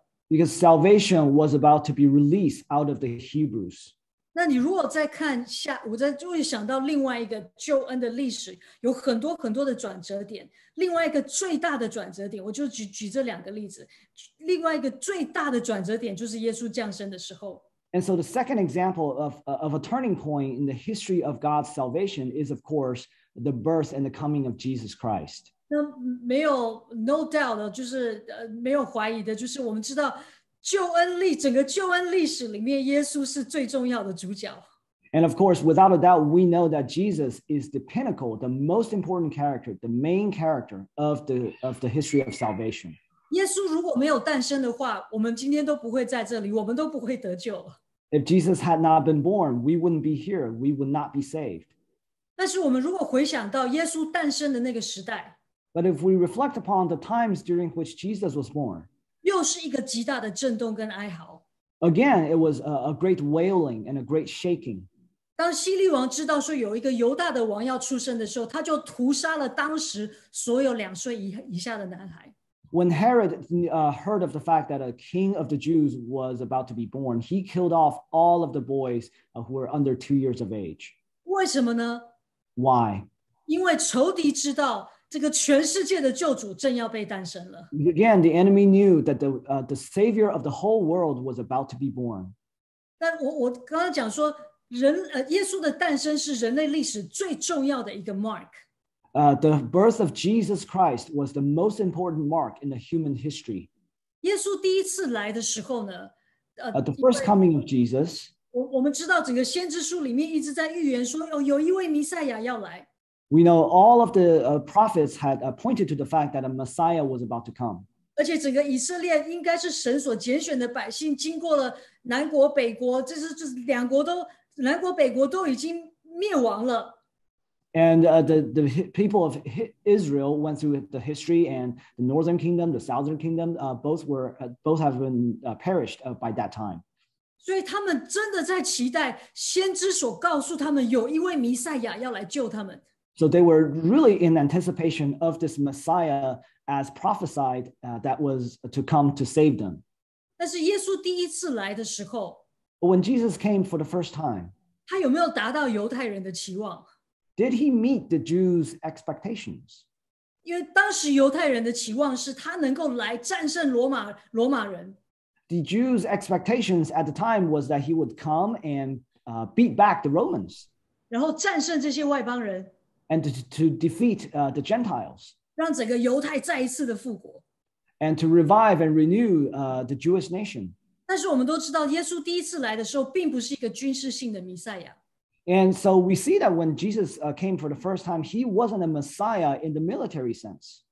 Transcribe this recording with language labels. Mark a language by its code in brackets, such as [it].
[en] Because salvation was about to be released out of the Hebrews. [zh] 那你如果再看下，我再就会想到另外一个救恩的历史，有很多很多的转折点。另外一个最大的转折点，我就举这两个例子。另外一个最大的转折点就是耶稣降生的时候。 [en] And so the second example of a turning point in the history of God's salvation is, of course, the birth and the coming of Jesus Christ. [zh] 那没有 [en] no doubt [zh] 的，就是没有怀疑的，就是我们知道救恩历整个救恩历史里面，耶稣是最重要的主角。 [en] And of course, without a doubt, we know that Jesus is the pinnacle, the most important character, the main character of the history of salvation. [zh] 耶稣如果没有诞生的话，我们今天都不会在这里，我们都不会得救。 [en] If Jesus had not been born, we wouldn't be here. We would not be saved. [zh] 但是我们如果回想到耶稣诞生的那个时代 [en] ，But if we reflect upon the times during which Jesus was born, [zh] 又是一个极大的震动跟哀嚎。 [en] Again, it was a great wailing and a great shaking. [zh] 当希律王知道说有一个犹大的王要出生的时候，他就屠杀了当时所有两岁以下的男孩。 [en] When Herod heard of the fact that a king of the Jews was about to be born, he killed off all of the boys who were under 2 years of age. [zh] 为什么呢？ [en] Why? [zh] 因为仇敌知道这个全世界的救主正要被诞生了。 [en] Again, the enemy knew that the savior of the whole world was about to be born. [zh] 但我刚刚讲说耶稣的诞生是人类历史最重要的一个 mark。 [en] The birth of Jesus Christ was the most important mark in the human history. [zh] 耶稣第一次来的时候呢, [en] the first coming of Jesus, [zh] 我们知道整个先知书里面一直在预言说有一位弥赛亚要来。 [en] We know all of the prophets had pointed to the fact that a Messiah was about to come. [zh] 而且整个以色列应该是神所拣选的百姓，经过了南国北国，就是两国都，南国北国都已经灭亡了。 [en] And the people of Israel went through the history, and the northern kingdom, the southern kingdom, both have been perished by that time. [zh] 所以他们真的在期待先知所告诉他们有一位弥赛亚要来救他们。 [en] So they were really in anticipation of this Messiah as prophesied that was to come to save them. [zh] 但是耶稣第一次来的时候 [en] ，When Jesus came for the first time, [zh] 他有没有达到犹太人的期望？ [en] Did he meet the Jews' expectations? [zh] 因为当时犹太人的期望是他能够来战胜罗马人。 [en] The Jews' expectations at the time was that he would come and beat back the Romans. [zh] 然后战胜这些外邦人。 [en] And to defeat the Gentiles. [zh] 让整个犹太再一次的复活。 [en] And to revive and renew the Jewish nation. [zh] 但是我们都知道耶稣第一次来的时候并不是一个军事性的弥赛亚。 [en] And so we see that when Jesus came for the first time, he wasn't a Messiah in the military sense.